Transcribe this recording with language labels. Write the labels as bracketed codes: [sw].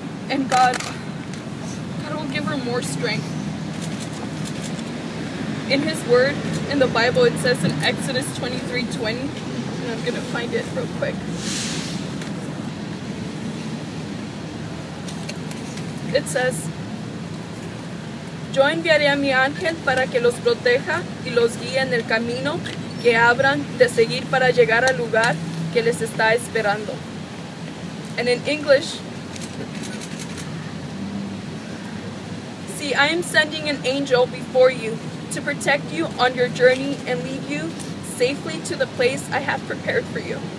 [en] And God will give her more strength. In His Word, in the Bible, it says in Exodus 23:20, and I'm going to find it real quick. It says, [es] yo enviaré a mi ángel para que los proteja y los guíe en el camino que abran de seguir para llegar al lugar que les está esperando. [en] And in English, see, I am sending an angel before you to protect you on your journey and lead you safely to the place I have prepared for you.